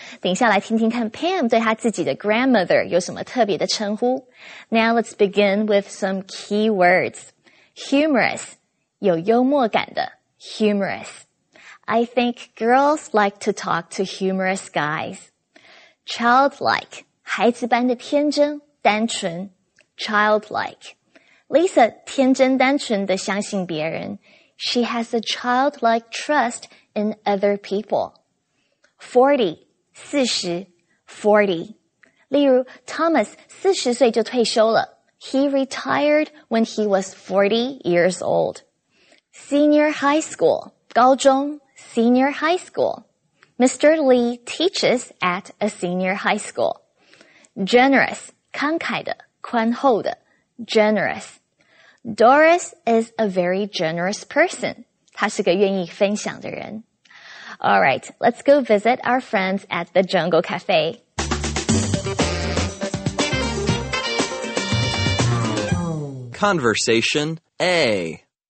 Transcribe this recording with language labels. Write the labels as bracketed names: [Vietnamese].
[Chinese] 等一下来听听看 Pam 对她自己的 grandmother 有什么特别的称呼。 [English] Now let's begin with some key words. Humorous, [Chinese] 有幽默感的 [English] humorous. I think girls like to talk to humorous guys. Childlike, [Chinese] 孩子般的天真单纯 [English] childlike. [Chinese] Lisa 天真单纯的相信别人。 [English] She has a childlike trust in other people. 40, [Chinese] 四十 [English] 40. [Chinese] 例如 Thomas 四十岁就退休了。 [English] He retired when he was 40 years old. Senior high school, [Chinese] 高中 [English] senior high school. Mr. Lee teaches at a senior high school. Generous, [Chinese] 慷慨的宽厚的 [English] generous. Doris is a very generous person. [Chinese] 她是个愿意分享的人。 [English] All right, let's go visit our friends at the Jungle Cafe. Conversation A.